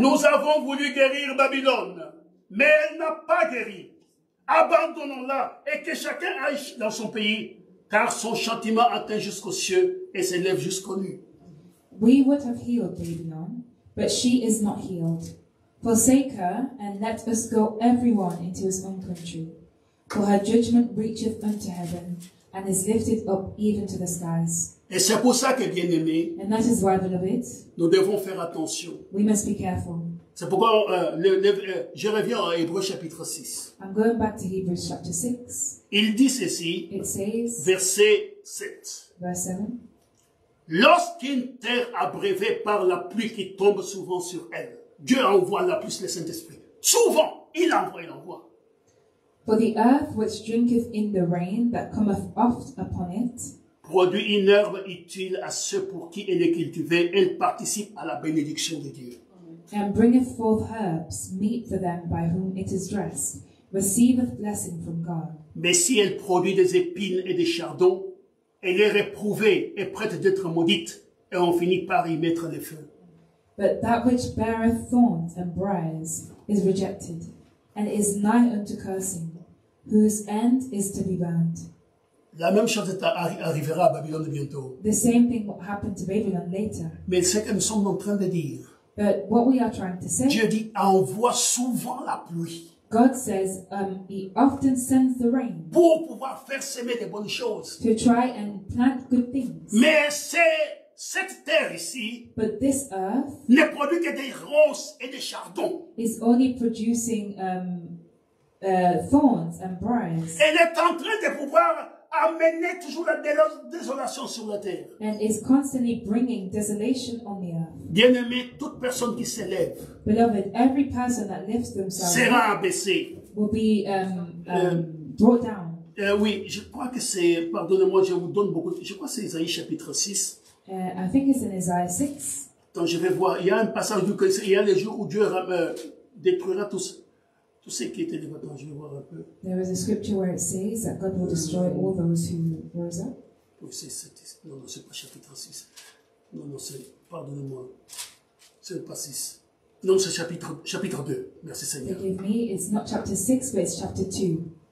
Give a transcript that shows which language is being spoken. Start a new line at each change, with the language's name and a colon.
French: nous avons voulu guérir Babylone, mais elle n'a pas guéri. Abandonnons-la et que chacun aille dans son pays, car son châtiment atteint jusqu'aux cieux et s'élève jusqu'aux nues.
English: We would have healed Babylone, but she is not healed. Forsake her and let us go everyone into his own country. For her judgment reacheth unto heaven, and is lifted up even to the skies.
French: Et c'est pour ça que, bien-aimés,
English: and that is why, beloved,
French: nous devons faire attention.
English: We must be careful.
French: C'est pourquoi je reviens à Hébreux chapitre 6.
English: I'm going back to Hebrews chapter 6.
French: Il dit ceci,
English: it says,
French: verset 7.
English: Verse 7.
French: Lorsqu'une terre abreuvée par la pluie qui tombe souvent sur elle, Dieu envoie la pluie, le Saint-Esprit. Souvent, il envoie.
English: For the earth which drinketh in the rain that cometh oft upon it
French: produit une herbe utile à ceux pour qui elle est cultivée, elle participe à la bénédiction de Dieu.
English: And bringeth forth herbs meet for them by whom it is dressed, receiveth blessing from God.
French: Mais si elle produit des épines et des chardons, elle est réprouvée et prête d'être maudite, et on finit par y mettre le feu.
English: But that which beareth thorns and briars is rejected, and is nigh unto cursing, whose end is to be burned.
French: La même chose arrivera à Babylone bientôt.
English: The same thing will happen to Babylon later.
French: Mais ce que nous sommes en train de dire,
English: but what we are trying to say,
French: Dieu dit, envoie souvent la pluie.
English: God says, he often sends the rain
French: pour pouvoir faire semer des bonnes choses.
English: To try and plant good things.
French: Mais cette terre ici,
English: but this earth,
French: ne produit que des roses et des chardons.
English: Is only producing thorns and briars.
French: Elle est en train de pouvoir amener toujours la désolation sur la terre.
English: And is constantly bringing desolation on the earth.
French: Bien aimé, toute personne qui s'élève,
English: beloved, every person that lifts themselves,
French: sera abaissée.
English: Will be brought down.
French: Oui, je crois que c'est. Pardonnez-moi, je vous donne beaucoup. Je crois que c'est Isaïe chapitre 6.
English: I think it's in Isaiah 6.
French: Donc je vais voir. Il y a un passage où il y a les jours où Dieu détruira tous ceux qui étaient débattants. Je vais voir un peu.
English: There is a scripture where it says that God will destroy all those who rose up.
French: Oui, non, c'est pas chapitre 6. Non, c'est. Pardonnez-moi. C'est pas 6. Non, c'est chapitre 2. Merci Seigneur.
English: Forgive me, it's not chapter 6, but it's chapter 2.